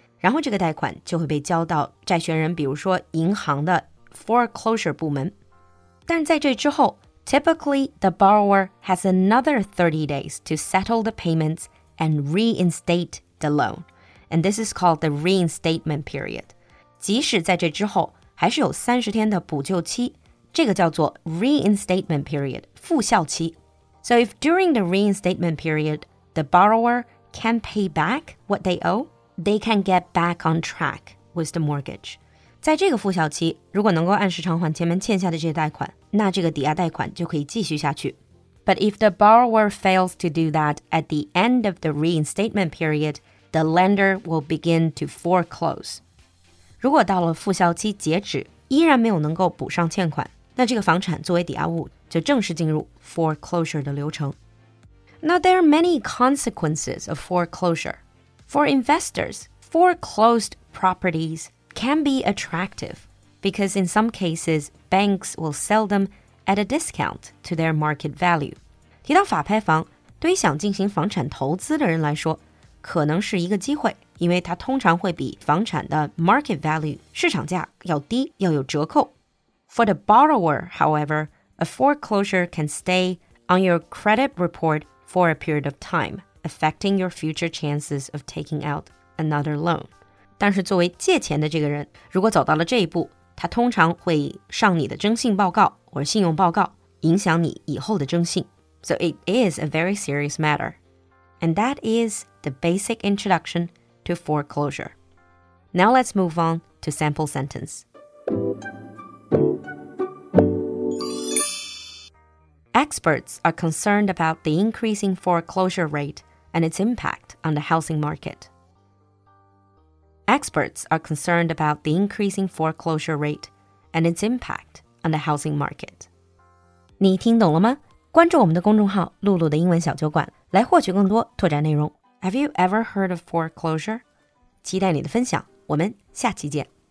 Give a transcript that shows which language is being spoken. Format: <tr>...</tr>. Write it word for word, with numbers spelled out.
<zh>然后这个贷款就会被交到债权人，比如说银行的 foreclosure 部门。但在这之后</zh> <en>typically the borrower has another thirty days to settle the payments and reinstate the loan. And this is called the reinstatement period.</en> <zh>即使在这之后还是有三十天的补救期，这个叫做 reinstatement period, 复效期。</zh> <en>So if during the reinstatement period, the borrower can pay back what they owe, they can get back on track with the mortgage.</en> <zh>在这个复效期，如果能够按时偿还前面欠下的这些贷款，那这个抵押贷款就可以继续下去。</zh> <en>But if the borrower fails to do that at the end of the reinstatement period, the lender will begin to foreclose.</en> <zh>如果到了复效期截止，依然没有能够补上欠款，那这个房产作为抵押物就正式进入 foreclosure 的流程。</zh> <en>Now there are many consequences of foreclosure. For investors, foreclosed properties can be attractive because in some cases, banks will sell them at a discount to their market value.</en> <zh>提到法拍房，对于想进行房产投资的人来说，可能是一个机会，因为它通常会比房产的 market value 市场价要低，要有折扣。</zh> <en>For the borrower, however, a foreclosure can stay on your credit report for a period of time, affecting your future chances of taking out another loan.</en> <zh>但是作为借钱的这个人，如果走到了这一步，他通常会上你的征信报告或者信用报告，影响你以后的征信。</zh> <en>So it is a very serious matter. And that is the basic introduction to foreclosure. Now let's move on to sample sentence. Experts are concerned about the increasing foreclosure rate and its impact on the housing market. Experts are concerned about the increasing foreclosure rate and its impact on the housing market.</en> <zh>你听懂了吗？关注我们的公众号“露露的英文小酒馆”，来获取更多拓展内容。</zh> <en>Have you ever heard of foreclosure?</en> <zh>期待你的分享，我们下期见。</zh>